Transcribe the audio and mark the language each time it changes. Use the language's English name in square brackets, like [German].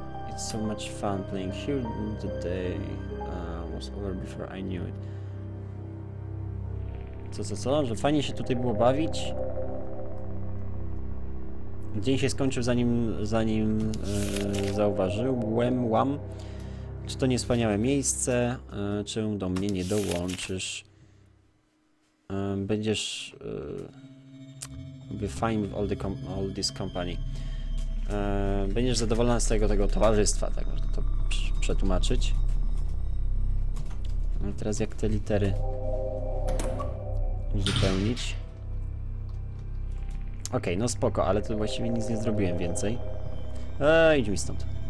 [English] It's so much fun playing here. The day was over before I knew it. [Polish] Co? Że fajnie się tutaj było bawić. Dzień się skończył zanim zauważyłem. Łam. Czy to nie wspaniałe miejsce? Czy do mnie nie dołączysz? Będziesz. [English] Be fine with all this company. [Polish] Będziesz zadowolona z tego towarzystwa, tak można to przetłumaczyć. A teraz jak te litery uzupełnić? Okej, no spoko, ale to właściwie nic nie zrobiłem więcej. Idź mi stąd.